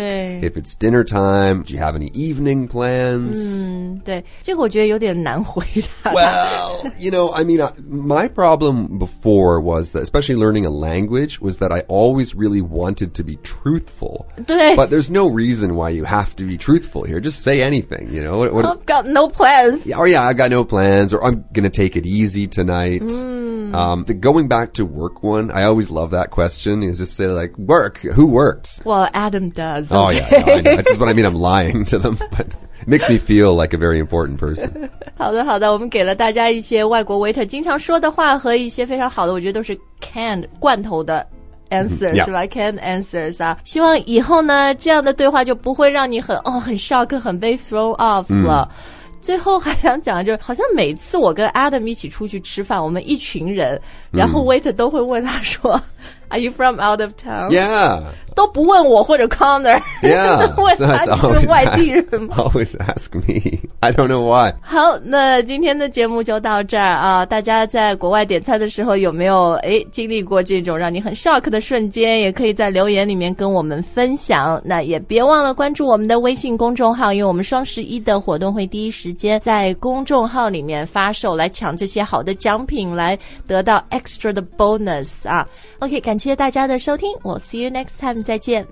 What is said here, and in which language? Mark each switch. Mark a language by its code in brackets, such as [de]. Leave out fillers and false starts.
[en] If it's dinner time, do you have any evening plans? [zh] 对，这个我觉得有点难回答。 [en] Well, you know, I mean, my problem before was that, especially learning a language, was that I always really wanted to be truthful. [zh] 对。 [en] But there's no reason why you have to be truthful here. Just say anything, you know? I've got no plans. Oh, yeah, I've got no plans. Or I'm gonna take it easy tonight. The going back to work one, I always love that question. You just say like, work, who works? Well, Adam does. Okay. Oh, yeah, no, I know. That's what I mean. I'm lying to them, but it makes me feel like a very important person. [zh] 好的好的我们给了大家一些外国 waiter 经常说的话和一些非常好的我觉得都是 canned, 罐头的answers、 [en] yeah. [zh] 是吧 [en] canned answers [zh] 啊希望以后呢这样的对话就不会让你很、oh, 很 shock, 很被 thrown off 了、最后还想讲就是好像每次我跟 Adam 一起出去吃饭我们一群人然后 waiter 都会问他说 [en] Are you from out of town? Yeah [zh] 都不问我或者 Connor [en] Yeah [zh] 问他你是外地人吗 [en] Always ask me I don't know why [zh] 好那今天的节目就到这儿啊！大家在国外点菜的时候有没有经历过这种让你很 shock 的瞬间也可以在留言里面跟我们分享那也别忘了关注我们的微信公众号因为我们双十一的活动会第一时间在公众号里面发售来抢这些好的奖品来得到 [en] extra the bonus [zh] 啊 OK 感谢大家的收听 [en] We'll see you next time [zh] 再见